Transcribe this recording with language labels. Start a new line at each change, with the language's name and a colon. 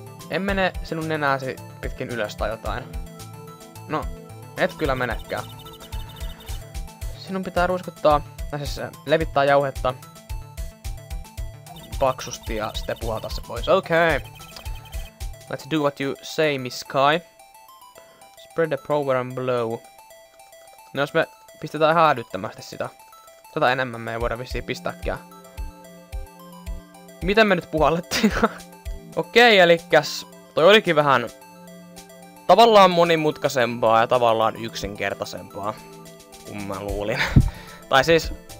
Finnish: En mene sinun nenääsi pitkin ylös tai jotain. No, et kyllä menekään. Sinun pitää ruiskuttaa, tai siis levittää jauhetta paksusti ja sitten puhaltaa se pois. Okei. Okay.
English: Let's do what you say, Miss Kai. Spread the power and blow.
Finnish: No jos me pistetään häädyttämästi sitä. Tätä enemmän me ei voida vissiin pistääkään. Miten me nyt puhallettiin? Okei, elikäs. Toi olikin vähän... Tavallaan monimutkaisempaa ja tavallaan yksinkertaisempaa. Kun mä luulin. Tai siis...